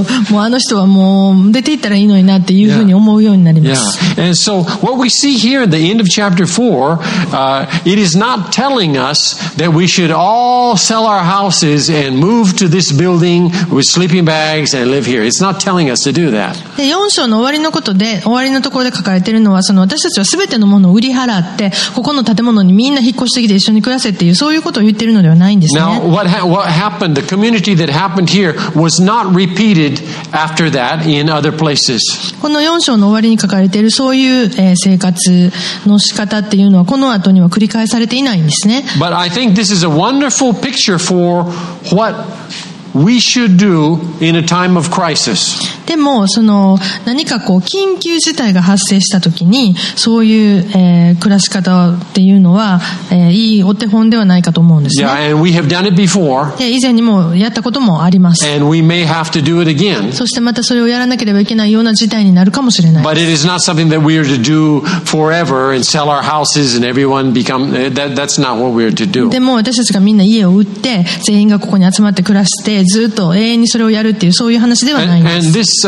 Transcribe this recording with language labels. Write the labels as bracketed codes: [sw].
[ja] もうあの人はもう出て行ったらいいのになっていうふうに思うようになります。 [en] Yeah. And so what we see here at the end of chapter 4, it is not telling us that we should all sell our houses and move to this building with sleeping bags and live here. It's not telling us to do that. [ja] 4章の終わりのところで書かれているのは、その私たちは全てのものを売り払ってここの建物にみんな引っ越してきて一緒に暮らせっていうそういうことを言っているのではないんですね。 [en] Now what happened? The community thatIt happened here was not repeated after that in other places. [ja] この4章の終わりに書かれているそういう生活の仕方っていうのはこの後には繰り返されていないんですね。 [en] But I think this is a wonderful picture for what we should do in a time of crisis. [ja] でもその何かこう緊急事態が発生した時にそういう暮らし方っていうのはいいお手本ではないかと思うんですね。 [en] Yeah, and we have done it before. [ja] で以前にもやったこともあります。 [en] And we may have to do it again. [ja] そしてまたそれをやらなければいけないような事態になるかもしれない。 [en] But it is not something that we are to do forever and sell our houses and everyone become that. That's not what we are to do. [ja] でも私たちがみんな家を売って全員がここに集まって暮らしてずっと永遠にそれをやるっていうそういう話ではないんです。